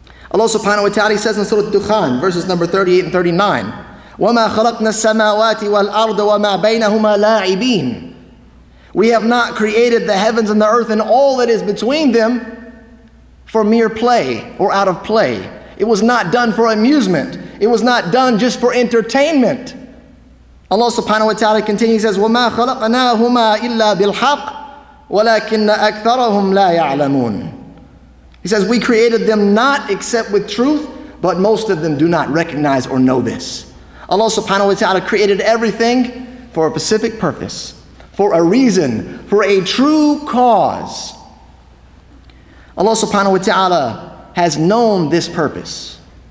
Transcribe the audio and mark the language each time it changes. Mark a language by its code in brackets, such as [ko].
[en] Allah subhanahu wa ta'ala says in Surah Dukhan, verses number 38 and 39, [ar] وَمَا خَلَقْنَا السَّمَاوَاتِ وَالْأَرْضَ وَمَا بَيْنَهُمَا لَاعِبِينَ. [en] We have not created the heavens and the earth and all that is between them for mere play or out of play. It was not done for amusement. It was not done just for entertainment. [ar] Allah subhanahu wa ta'ala [en] continues, says, [ar] وَمَا خَلَقْنَاهُمَا إِلَّا بِالْحَقِّ وَلَكِنَّ أَكْثَرَهُمْ لَا يَعْلَمُونَ. [en] He says, we created them not except with truth, but most of them do not recognize or know this. Allah subhanahu wa ta'ala created everything for a specific purpose, for a reason, for a true cause. Allah subhanahu wa ta'ala has known this purpose.